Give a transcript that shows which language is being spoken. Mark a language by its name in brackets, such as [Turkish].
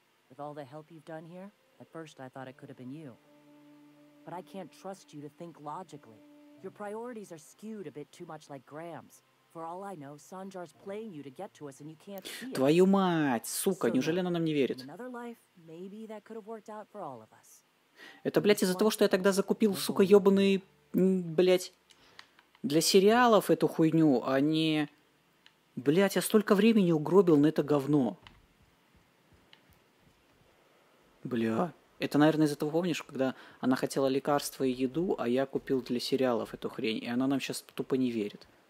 [English] With all the help you've done here, at first I thought it could have been you. But I can't trust you to think logically. Your priorities are skewed a bit too much like Graham's. For all I know, Sanjar's playing you to get to us and you can't see it. [Russian] Твою мать, сука, неужели она нам не верит? [English] In another life, maybe that could have worked out for all of us. [Russian] Это, блядь, из-за того, что я тогда закупил, сука, ёбаный, блядь, для сериалов эту хуйню, а не... Блядь, я столько времени угробил на это говно. Бля, это, наверное, из-за того, помнишь, когда она хотела лекарства и еду, а я купил для сериалов эту хрень, и она нам сейчас тупо не верит.